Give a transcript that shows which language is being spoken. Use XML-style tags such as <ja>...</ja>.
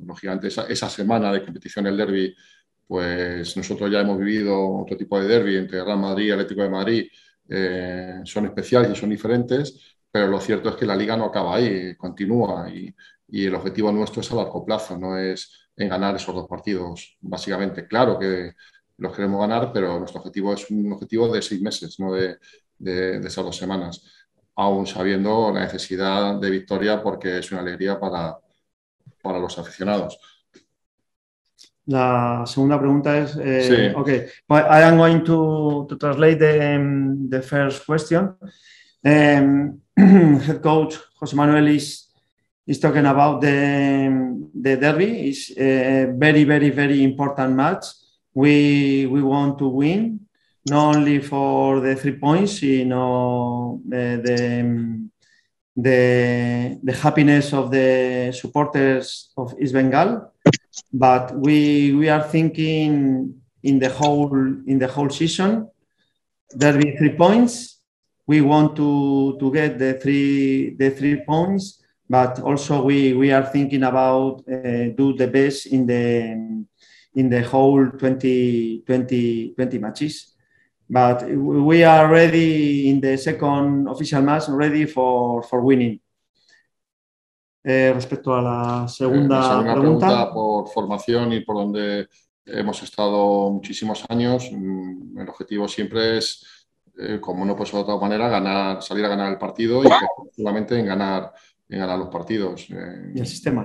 <es>Lógicamente, esa semana de competición, el derbi, pues nosotros ya hemos vivido otro tipo de derbi entre Real Madrid y Atlético de Madrid, son especiales y son diferentes, pero lo cierto es que la liga no acaba ahí, continúa, y el objetivo nuestro es a largo plazo, no es en ganar esos dos partidos, básicamente. Claro que los queremos ganar, pero nuestro objetivo es un objetivo de 6 meses, no de esas 2 semanas, aún sabiendo la necesidad de victoria, porque es una alegría para los aficionados. La segunda pregunta es, sí.</es> <en>Okay, I am going to translate the first question. Head coach José Manuel is talking about the derby. It's a very, very, very important match. We want to win, not only for the 3 points, sino the happiness of the supporters of East Bengal. But we are thinking in the whole season, derby 3 points. We want to get the three points, but also we are thinking about do the best in the whole 20 matches. But we are ready in the second official match, ready for winning.</en> <es>Respecto a la segunda pregunta. Por formación y por donde hemos estado muchísimos años, el objetivo siempre es, como no puede ser de otra manera, salir a ganar el partido y solamente en ganar los partidos. Y el sistema</es>